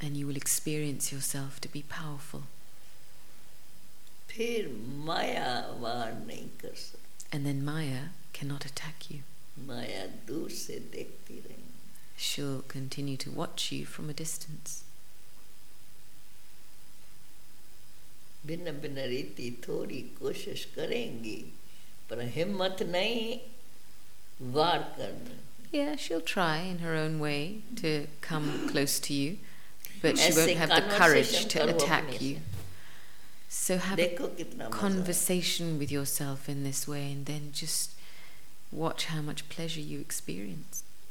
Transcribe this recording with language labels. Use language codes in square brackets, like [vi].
[en] And you will experience yourself to be powerful. [hi] Phir maya vaar nahi kar sakti. [en] And then maya cannot attack you. [hi] Maya dur se dekhti rahe. [en] She'll continue to watch you from a distance. [hi] भिन्न भिन्न रीति थोड़ी कोशिश करेंगे पर हिम्मत नहीं वार करने. [en] Yeah, she'll try in her own way to come close to you, but she won't have the courage to attack you. So have a conversation with yourself in this way and then just watch how much pleasure you experience.